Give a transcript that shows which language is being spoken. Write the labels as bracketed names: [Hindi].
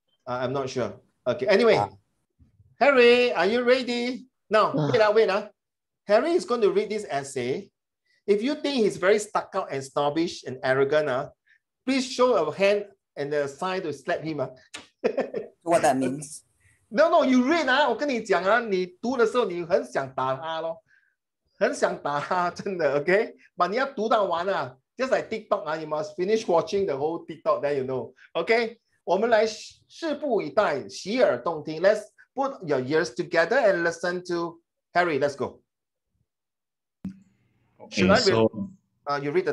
[English] I'm not sure. Okay, anyway. Harry, are you ready? No, wait. Harry is going to read this essay. If you think he's very stuck out and snobbish and arrogant, please show a hand and a sign to slap him. What that means? No, you read. [Chinese] 我跟你讲, 你读的时候你很想打他咯, 很想打他真的, okay? [English] But [Chinese] 你要读到完, [English] just like TikTok, you must finish watching the whole TikTok, then you know. Okay? [Chinese] 我们来拭目以待, 洗耳动听, [English] let's put your ears together and listen to Harry. Let's go. Okay, should I read, you read the